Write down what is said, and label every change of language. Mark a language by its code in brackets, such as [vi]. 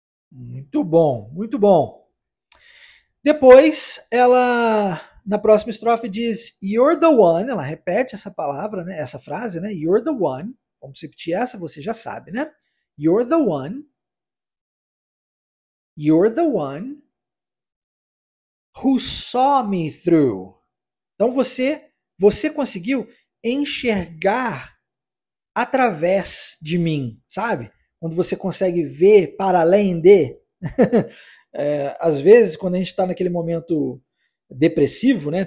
[pt] Muito bom, muito bom. Depois, ela... Na próxima estrofe diz, [en] you're the one, [pt] ela repete essa palavra, né? Essa frase, né? [en] You're the one. [pt] Vamos repetir essa, você já sabe, né? [en] You're the one. You're the one who saw me through. [pt] Então você conseguiu enxergar através de mim, sabe? Quando você consegue ver para além de. às vezes, quando a gente está naquele momento depressivo, né?